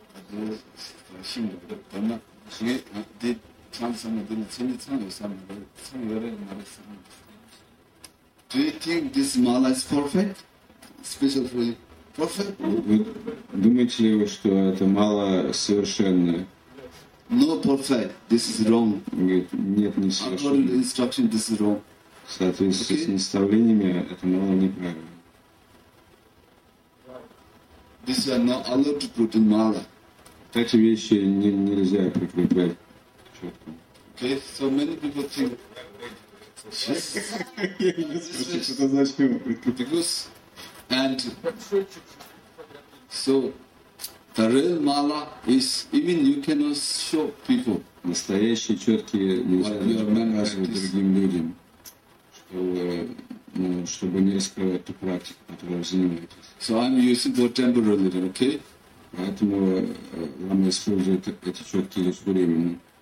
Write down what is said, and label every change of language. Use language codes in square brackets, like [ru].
[ru] Думаете ли вы, что это мало совершенное? [en] No perfect. This is wrong. [ru] Нет, не совершенно. В соответствии с наставлениями, это мало неправильно. [en] This is not allowed to put in mala. [ru] Такие вещи нельзя прикреплять четко. [en] Okay, so many people think. And so the real mala is even you cannot show people. [ru] Настоящие четки нельзя показывать другим людям, чтобы не раскрывать ту практику, которой вы занимаетесь. [en] So I'm using for temporary, okay? [ru] Поэтому вам используют эти четки лишь временно.